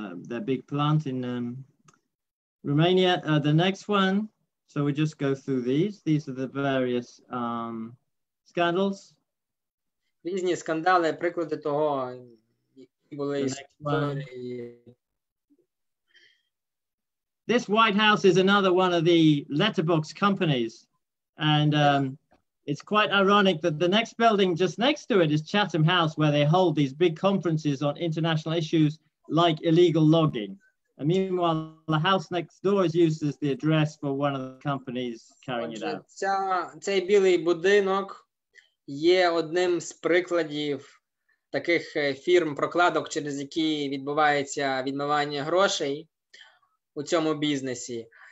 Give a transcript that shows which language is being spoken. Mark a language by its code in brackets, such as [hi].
[en] The big plant in Romania. The next one, so we just go through these. These are the various scandals. [uk] Різні скандали, приклади того, які були історії. [en] This White House is another one of the letterbox companies. And it's quite ironic that the next building just next to it is Chatham House, where they hold these big conferences on international issues like illegal logging. And meanwhile, the house next door is used as the address for one of the companies carrying it out. [uk] Цей білий будинок є одним з прикладів таких фірм-прокладок, через які відбувається відмивання грошей у цьому бізнесі.